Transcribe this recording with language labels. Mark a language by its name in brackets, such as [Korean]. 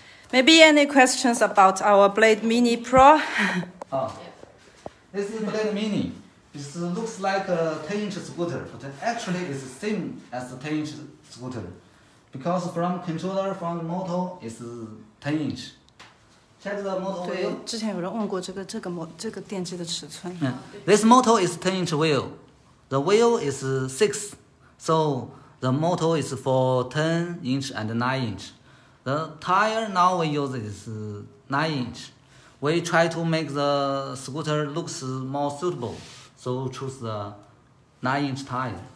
[English] Maybe any questions about our Blade Mini Pro? Oh. This is Blade Mini. This looks like a 10-inch scooter, but actually it's the same as a 10-inch scooter. Because from controller from the motor is 10 inch. Check the motor wheel. [Chinese] 对，之前有人问过这个电机的尺寸。 [English] This motor is 10 inch wheel. The wheel is 6. So the motor is for 10 inch and 9 inch. The tire now we use is 9 inch. We try to make the scooter looks more suitable. So choose the 9 inch tire.